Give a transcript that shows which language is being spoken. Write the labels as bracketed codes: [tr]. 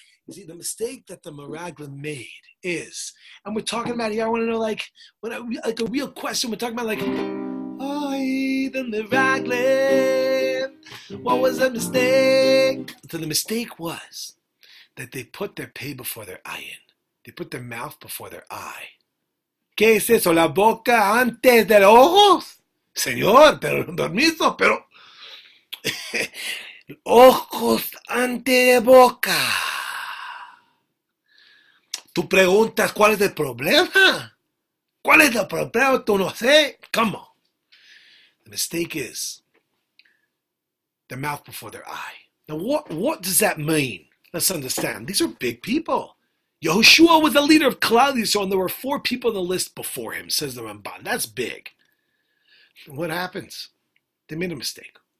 [en] See, the mistake that the Meraglim made is, and we're talking about here, I want to know, like, what, like a real question. We're talking about, like, the Meraglim, what was the mistake? So the mistake was that they put their pay before their ayin. They put their mouth before their eye. [es] ¿Qué es eso? ¿La boca antes de los ojos? Señor, pero permiso, pero... ojos ante de boca. Tú preguntas, ¿cuál es el problema? ¿Cuál es el problema? Tú no sé. [en] Come on. The mistake is their mouth before their eye. Now, what does that mean? Let's understand. These are big people. Yehoshua was the leader of Klal Yisrael, and there were four people on the list before him, says the Ramban. That's big. What happens? They made a mistake.